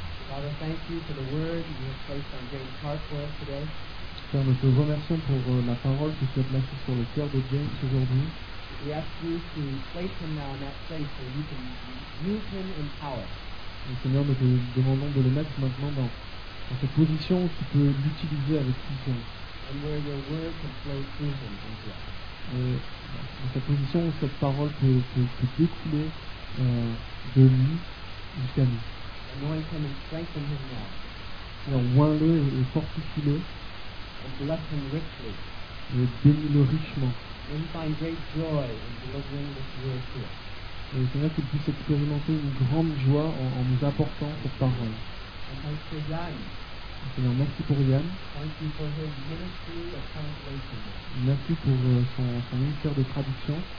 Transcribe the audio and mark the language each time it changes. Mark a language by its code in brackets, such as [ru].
[en] Father, thank you for the word you have placed on James' heart for us today. [fr] Père, nous te remercions pour la parole que tu as placée sur le cœur de James aujourd'hui. [en] We ask you to place him now in that place where you can use him in power. [fr] Et Seigneur, nous te demandons de le mettre maintenant dans, dans cette position où tu peux l'utiliser avec puissance. [en] And where your word can flow through him into us. [fr] Dans cette position où cette parole peut découler de lui jusqu'à nous. [en] Anoint him and strengthen him now. [fr] Alors, oint-le et fortifie-le. [en] And bless him richly. [fr] Et bénis-le richement. [en] And find great joy in delivering this word to us. [fr] Et Seigneur, qu'il puisse expérimenter une grande joie en nous apportant cette parole. [en] And thanks for Yann. [fr] Seigneur, merci pour Yann. [en] Thank you for his ministry of translation. [fr] Merci pour son ministère de traduction.